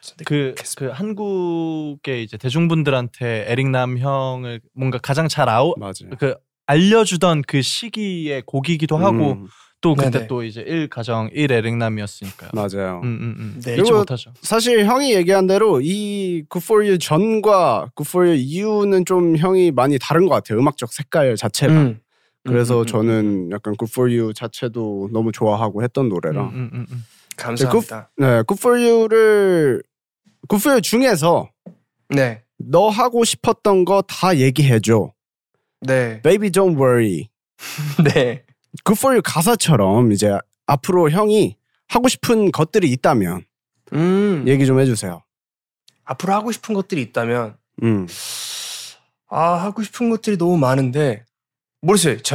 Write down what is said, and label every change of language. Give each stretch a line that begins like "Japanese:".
Korean: 그 한국의 이제 대중분들한테 에릭남 형을 뭔가 가장 잘 아우 그 알려주던 그 시기의 곡이기도 하고 또 그때 네네. 또 이제 1 가정 1 에릭남이었으니까요. 맞아요. 네, 잊지 못하죠. 사실 형이 얘기한 대로 이 Good for You 전과 Good for You 이후는 좀 형이 많이 다른 것 같아요. 음악적 색깔 자체가. 그래서 저는 약간 Good for You 자체도 너무 좋아하고 했던 노래라. 감사합니다. 네, Good for You를 Good for You 중에서 네. 너 하고 싶었던 거 다 얘기해 줘. 네.
English: Baby don't worry.
Korean: 네. Good for You 가사처럼 이제 앞으로 형이 하고 싶은 것들이 있다면 얘기 좀 해 주세요. 앞으로 하고 싶은 것들이 있다면 아, 하고 싶은 것들이 너무 많은데 모르겠어요.